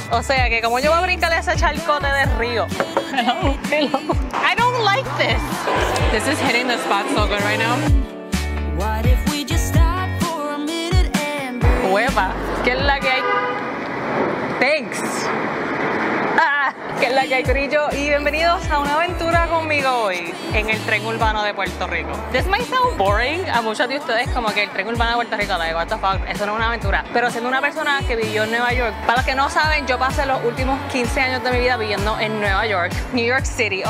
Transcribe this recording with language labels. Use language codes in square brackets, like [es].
[es] O sea, que como yo voy a brincar ese charcote de río. [en] Hello. I don't like this. This is hitting the spot so good right now. What if we just stop for a minute and breathe? [es] Hueva. ¿Qué es la que hay? [en] Thanks. [es] Que es la que hay, Corillo, y bienvenidos a una aventura conmigo hoy en el tren urbano de Puerto Rico. [en] This might sound boring [es] a muchos de ustedes, como que el tren urbano de Puerto Rico, [en] like, what the fuck, [es] eso no es una aventura. Pero siendo una persona que vivió en Nueva York, para los que no saben, yo pasé los últimos 15 años de mi vida viviendo en Nueva York, New York City.